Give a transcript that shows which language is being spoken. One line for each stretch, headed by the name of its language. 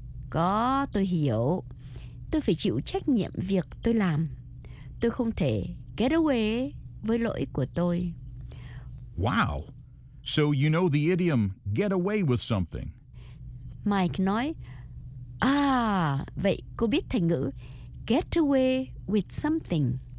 Vietnamese: Có, tôi hiểu. Tôi phải chịu trách nhiệm việc tôi làm. Tôi không thể
English: get away
Vietnamese: với lỗi của tôi.
English: Wow. So you know the idiom, get away with something.
Vietnamese: Mike nói, à, vậy cô biết thành ngữ,
English: get away with something.